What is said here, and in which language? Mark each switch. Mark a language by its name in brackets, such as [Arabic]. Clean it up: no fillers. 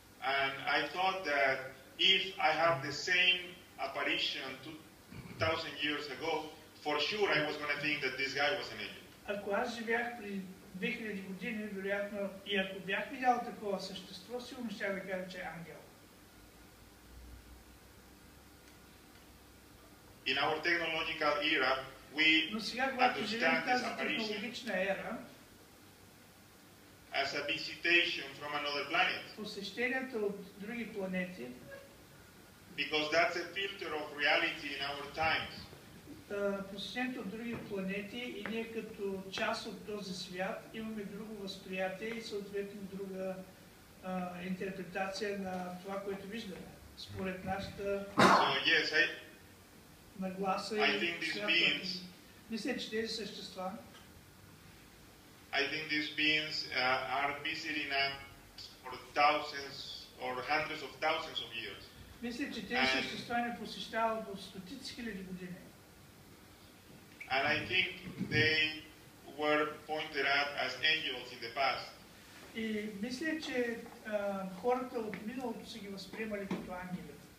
[English] And I thought that if I have the same apparition 2,000 years ago, for sure I was going to think that this guy was an angel. [Bulgarian] 2000 години, вероятно, и ако бях видял такова същество, сигурно ще да кажа, че е ангел. [English] In our technological era, we understand disapparition as a visitation from another planet. [Bulgarian] Посещението от други планети. [English] Because that's a filter of reality in our times. [Bulgarian] Посещението от други планети и ние като част от този свят имаме друго възприятие и съответно друга интерпретация на това, което виждаме. Според нашата нагласа и свят. Мисля, че тези същества [English] I think these beings are visiting us for thousands or hundreds of thousands of years. [Bulgarian] Мисля, че тези същества ни посещават от стотици хиляди години. [English] And I think they were pointed at as angels in the past. [Bulgarian] И мисля, че хората от миналото са ги възприемали като ангели.